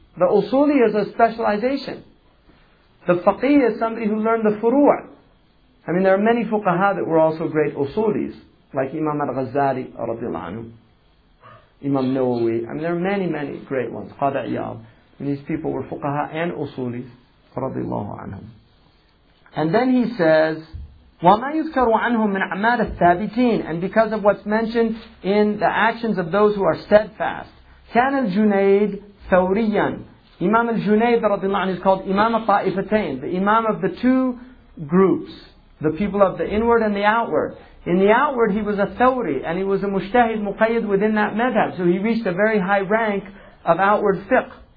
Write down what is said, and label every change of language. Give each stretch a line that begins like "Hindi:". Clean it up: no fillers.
English: The usuli is a specialization. The faqih is somebody who learned the furu'. I mean, there are many fuqaha that were also great usulis, like Imam al-Ghazali, radiallahu anhu, Imam Nawawi. I mean, there are many, many great ones. Qadi Iyad. And these people were fuqaha and usulis, radiallahu anhum.
Arabic: And then he says, وَمَا يُذْكَرُ عَنْهُمْ مِنْ عَمَادَ الثَّابِتِينَ.
English: And because of what's mentioned in the actions of those who are steadfast,
Arabic: كَانَ الْجُنَيْدِ ثَوْرِيًا.
English: Imam al-Junayd, radiallahu anhu, is called Imam al-Ta'ifatayn, the Imam of the two groups, the people of the inward and the outward. In the outward, he was a thawri, and he was a mushtahid muqayyid within that madhab, so he reached a very high rank of outward fiqh.